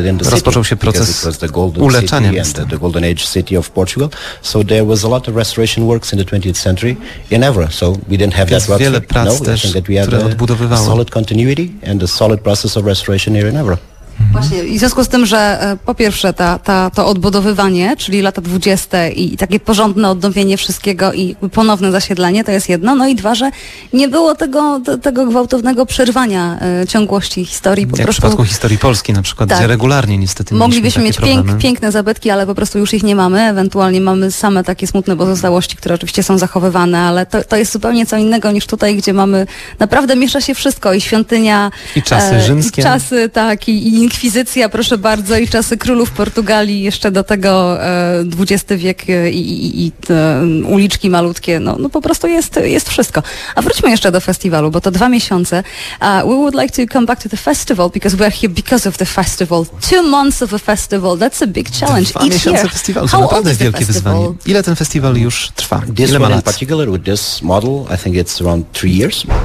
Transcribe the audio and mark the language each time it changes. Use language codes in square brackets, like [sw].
[pl] Rozpoczął się proces uleczania miasta. [en] The golden age city of Portugal. So there was a lot of restoration works in the 20th century in Évora. So we didn't have that rupture. No, I think that we had a solid continuity and a solid process of restoration here in Évora. [pl] Właśnie, i w związku z tym, że po pierwsze to odbudowywanie, czyli lata 20. i takie porządne odnowienie wszystkiego i ponowne zasiedlenie, to jest jedno. No i dwa, że nie było tego gwałtownego przerwania ciągłości historii. Po jak prostu, w przypadku historii Polski na przykład, tak, gdzie regularnie niestety moglibyśmy mieć takie piękne zabytki, ale po prostu już ich nie mamy. Ewentualnie mamy same takie smutne pozostałości, które oczywiście są zachowywane, ale to jest zupełnie co innego niż tutaj, gdzie mamy, naprawdę miesza się wszystko i świątynia, i czasy rzymskie. I czasy, tak, i inkwizycja, proszę bardzo, i czasy królów Portugalii, jeszcze do tego XX wiek i te uliczki malutkie, no po prostu jest wszystko. A wróćmy jeszcze do festiwalu, bo to 2 miesiące. [en] We would like to come back to the festival, because we're here because of the festival. 2 months of a festival, that's a big challenge. [pl] Dwa miesiące [en] year. [pl] Festiwalu, to naprawdę wielkie wyzwanie. Ile ten festiwal już trwa? Ile ma lat? [en] In particular with this model, I think it's around 3 years.